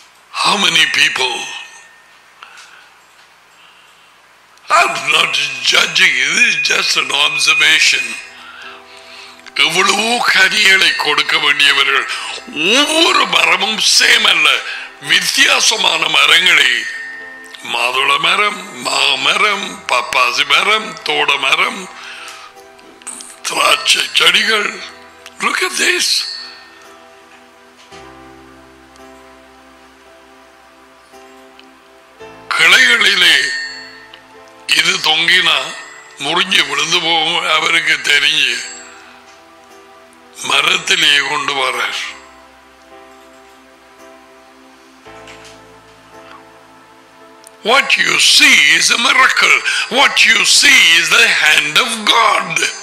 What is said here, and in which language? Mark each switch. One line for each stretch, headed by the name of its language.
English: How many people I'm not judging, this is just an observation.
Tamil: எவ்வளவோ கனிகளை கொடுக்க வேண்டியவர்கள் ஒவ்வொரு மரமும் சேம் அல்ல, வித்தியாசமான மரங்களை மாதுள மரம், மாமரம், பப்பாசி மரம், தோட மரம், திராட்சை செடிகள்.
English: Look at this.
Tamil: கிளைகளிலே இது தொங்கினா முறிஞ்சு விழுந்து போகும். அவருக்கு தெரிஞ்சு மரத்திலேயே கொண்டு வர்றார்.
English: What you see is a miracle. What you see is the hand of God.